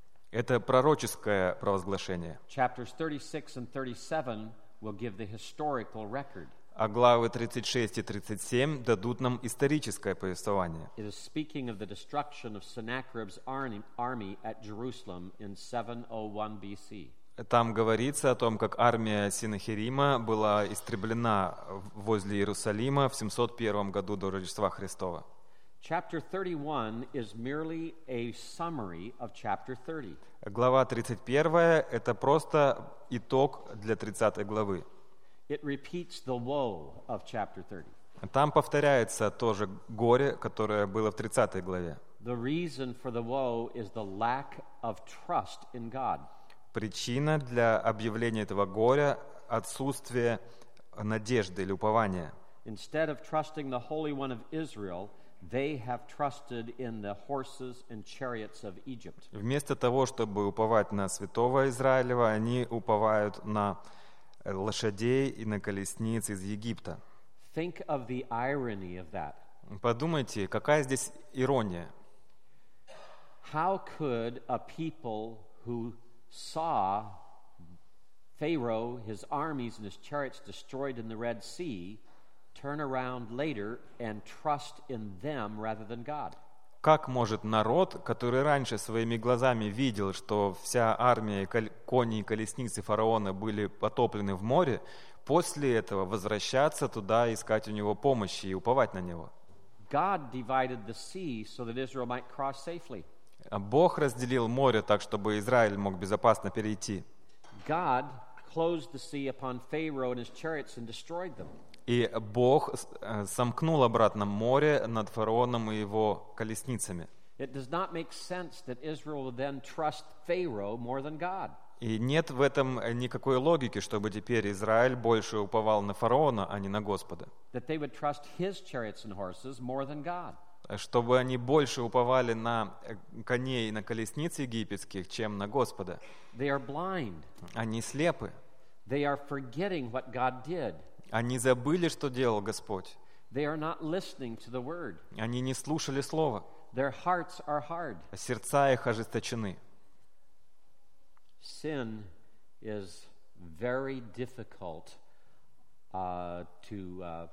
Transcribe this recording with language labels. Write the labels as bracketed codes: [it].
[ru] Это пророческое провозглашение. [en] Chapters 36 and 37 will give the historical record. [ru] А главы 36 и 37 дадут нам историческое повествование. [en] It is speaking of the destruction of Sennacherib's army at Jerusalem in 701 BC. [ru] Там говорится о том, как армия Синахирима была истреблена возле Иерусалима в 701 году до Рождества Христова. [en] Chapter 31 is merely a summary of chapter 30. [ru] Глава 31 — это просто итог для 30 главы. [en] It repeats the woe of chapter 30. [ru] Там повторяется тоже горе, которое было в 30 главе. [en] The reason for the woe is the lack of trust in God. [ru] Причина для объявления этого горя — отсутствие надежды или упования. [en] Instead of trusting the Holy One of Israel, they have trusted in the horses and chariots of Egypt. [ru] Вместо того, чтобы уповать на святого Израилева, они уповают на лошадей и на колесниц из Египта. [en] Think of the irony of that. [ru] Подумайте, какая здесь ирония? [en] How could a people who saw Pharaoh, his armies and his chariots destroyed in the Red Sea turn around later and trust in them rather than God? [ru] Как может народ, который раньше своими глазами видел, что вся армия коней и колесницы фараона были потоплены в море, после этого возвращаться туда, искать у него помощи и уповать на него? [en] God divided the sea so that Israel might cross safely. [ru] Бог разделил море так, чтобы Израиль мог безопасно перейти. [en] God closed the sea upon Pharaoh and his chariots and destroyed them. [ru] И Бог сомкнул обратно море над фараоном и его колесницами. [en] It does not make sense that Israel would then trust Pharaoh more than God. [ru] И нет в этом никакой логики, чтобы теперь Израиль больше уповал на фараона, а не на Господа. [en] That they would trust his chariots and horses more than God. [ru] Чтобы они больше уповали на коней и на колесниц египетских, чем на Господа. [en] They are blind. [ru] Они слепы. [en] They are forgetting what God did. [ru] Они забыли, что делал Господь. [en] They are not listening to the word. [ru] Они не слушали слова. [en] Their hearts are hard. [ru] Сердца их ожесточены. [en] Sin is very difficult to...